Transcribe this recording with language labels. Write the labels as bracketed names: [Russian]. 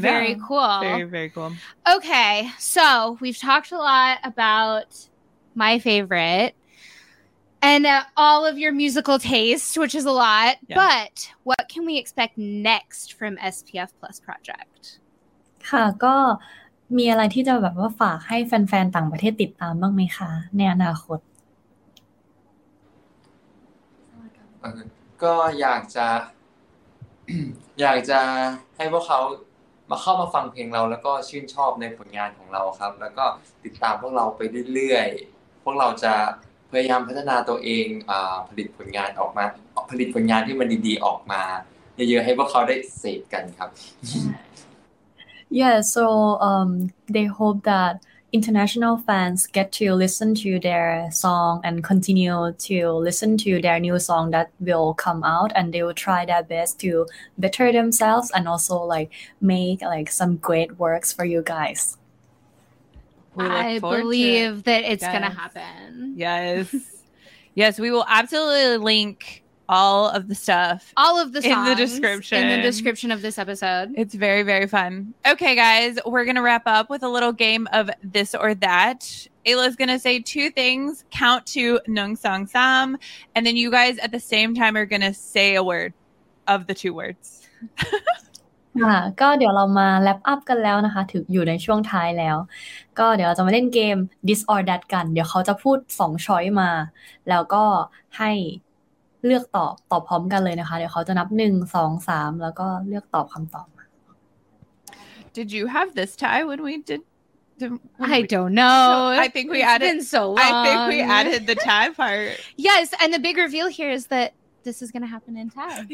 [English] Very cool. Very, very cool. Okay. So we've talked a lot about my favorite and all of your musical taste, which is a lot. Yeah. But what can we expect next from SPF Plus Project? [Thai] ค่ะก็มีอะไรที่จะแบบว่าฝากให้แฟนๆต่างประเทศติดตามบ้างไหมคะในอนาคต สำหรับ ก็อยากจะ อยากจะให้พวกเขามาเข้ามาฟังเพลงเราแล้วก็ชื่นชอบในผลงานของเราครับแล้วก็ติดตามพวกเราไปเรื่อยๆพวกเราจะพยายามพัฒนาตัวเองผลิตผลงานออกมาผลิตผลงานที่มันดีๆออกมาเยอะๆให้พวกเขาได้เสพกันครับ [English] Yeah, so they hope that international fans get to listen to their song and continue to listen to their new song that will come out, and they will try their best to better themselves and also like make like some great works for you guys. I believe that it's going to happen. Yes. Yes, we will absolutely link all of the stuff. All of the songs. In the description. In the description of this episode. It's very, very fun. Okay, guys. We're going to wrap up with a little game of this or that. Ayla's going to say two things. Count to Nung Song Sam. And then you guys at the same time are going to say a word of the two words. [Thai] ก็เดี๋ยวเรามาแรปอัพกันแล้วนะคะถืออยู่ในช่วงท้ายแล้วก็เดี๋ยวเราจะมาเล่นเกม This or That กันเดี๋ยวเขาจะพูด2ช้อยมาแล้วก็ให้เลือกตอบตอบพร้อมกันเลยนะคะเดี๋ยวเขาจะนับ1 2 3แล้วก็เลือกตอบคำตอบ [English] Did you have this tie when we did I don't know. No, I think we added It's been so long. I think we added the tie part. Yes, and the big reveal here is that this is going to happen in Thai.